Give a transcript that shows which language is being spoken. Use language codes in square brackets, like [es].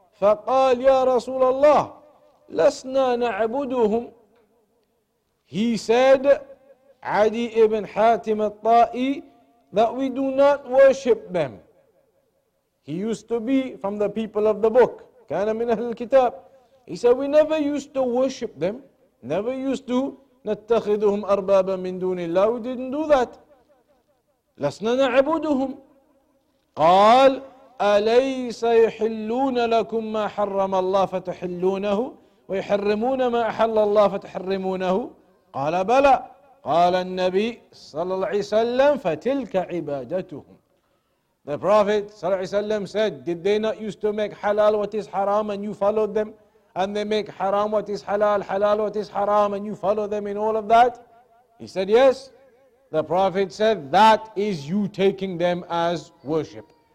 [ar] فقال يا رسول الله لسنا نعبدهم. [en] He said, Adi ibn Hatim al-Ta'i, that we do not worship them. He used to be from the people of the book. [ar] كان من أهل الكتاب. [en] He said, we never used to worship them. Never used to [ar] نتخذهم أربابا من دون الله. [en] We didn't do that. [ar] لسنا نعبدهم. قال أليس يحلون لكم ما حرم الله فتحلونه ويحرمون ما أحل الله فتحرمونه. قال بلى. قال النبي صلى الله عليه وسلم فتلك عبادتهم. [en] The Prophet [ar] صلى الله عليه وسلم [en] said, did they not used to make halal what is haram and you followed them, and they make haram what is halal, halal what is haram, and you follow them in all of that? He said yes. The Prophet said, that is you taking them as worship.